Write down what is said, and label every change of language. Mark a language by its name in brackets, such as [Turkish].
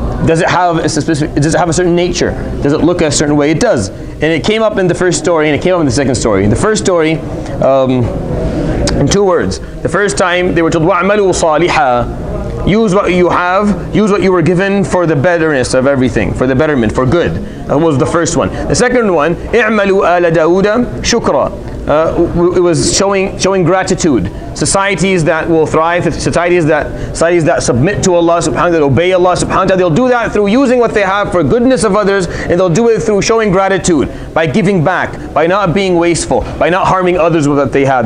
[English] Does it have a certain nature? Does it look a certain way? It does. And it came up in the first story, and it came up in the second story. In the first story, in two words, the first time they were told, [Arabic] وَعْمَلُوا صَالِحًا. [English] Use what you have, use what you were given for the betterness of everything, for the betterment, for good. That was the first one. The second one, [Arabic] اعملوا آل داود شكرا. [English] It was showing gratitude. Societies that will thrive, societies that submit to Allah Subhanahu wa Ta'ala, obey Allah Subhanahu wa Ta'ala, they'll do that through using what they have for goodness of others, and they'll do it through showing gratitude, by giving back, by not being wasteful, by not harming others with what they have.